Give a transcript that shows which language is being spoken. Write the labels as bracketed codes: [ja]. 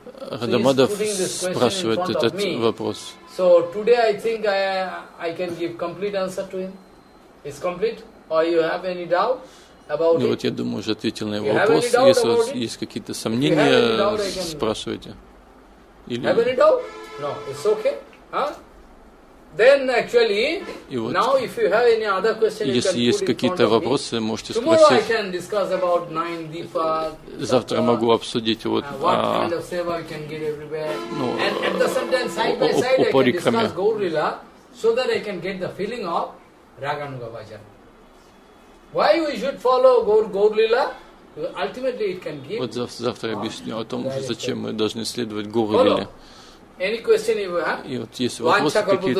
[ru] Радамадав спрашивает этот вопрос. [en] So today I think I can give complete answer to him. It's complete? Or you have any doubt about it? [ru] Вот я думаю, уже ответил на его вопрос. Если у вас есть какие-то сомнения, спрашивайте. [en] Или... Have any doubt? No, it's okay. Huh? Then actually, вот, now if you have any other question, you [ru] если [en] can [ru] есть какие-то вопросы, можете [en] tomorrow [ru] спросить. [en] Tomorrow I can discuss about nine deepa. [ru] Завтра могу обсудить вот о парикраме. [en] And at the same time, side by side, I can discuss Gaurila, so that I can get the feeling of Raganuga Bhajan. Why we should follow Gaurila? Ultimately, it can give. [ru] Вот завтра объясню о том, зачем мы должны следовать Гаурили. [en] Any question you have? [ru] Вот есть вопросы какие-то.